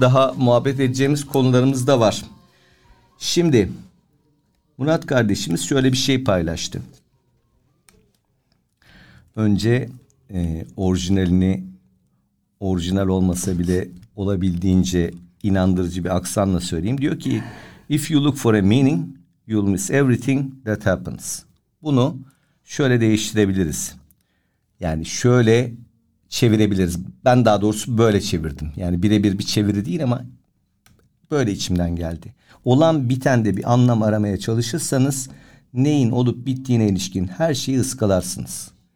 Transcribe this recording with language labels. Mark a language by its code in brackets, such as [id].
[tr] Daha muhabbet edeceğimiz konularımız da var. Şimdi Murat kardeşimiz şöyle bir şey paylaştı. Önce orijinalini, orijinal olmasa bile olabildiğince inandırıcı bir aksanla söyleyeyim. [en] Diyor ki, "If you look for a meaning, you'll miss everything that happens." [tr] Bunu şöyle değiştirebiliriz. Yani şöyle çevirebiliriz. Ben daha doğrusu böyle çevirdim. Yani birebir bir çeviri değil ama böyle içimden geldi. Olan bitende bir anlam aramaya çalışırsanız neyin olup bittiğine ilişkin her şeyi ıskalarsınız.